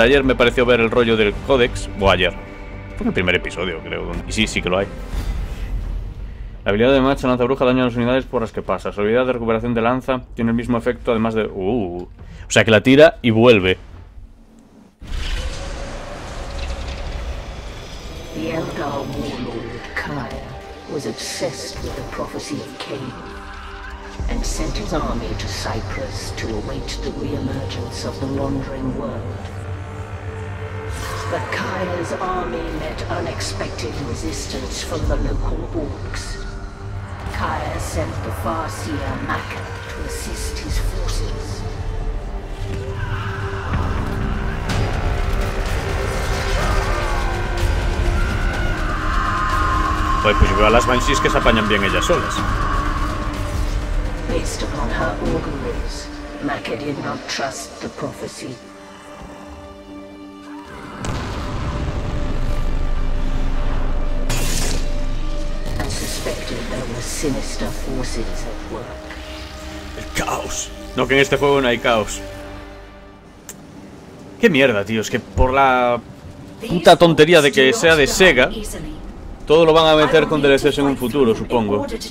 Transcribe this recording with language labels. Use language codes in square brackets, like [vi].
[es] Ayer me pareció ver el rollo del códex. O ayer. Fue en el primer episodio, creo. Y sí, sí que lo hay. La habilidad de Macha lanza bruja daña a las unidades por las que pasa. Su habilidad de recuperación de lanza tiene el mismo efecto, además de... O sea que la tira y vuelve. [en] The Eldar warlord Kaya was obsessed with the prophecy of Cain and sent his army to Cyprus to await the reemergence of the wandering world. But Kaya's army met unexpected resistance from the local orcs. Kaya sent the Farseer Maka to assist his forces. [es] Pues yo veo a las Banshees que se apañan bien ellas solas. [en] Based upon her auguries, Maka did not trust the prophecy. And suspected there were sinister forces at work. [es] El caos. No, que en este juego no hay caos. Qué mierda, tío. Es que por la puta tontería de que sea de Sega. Todo lo van a meter con DLCs en un futuro, supongo.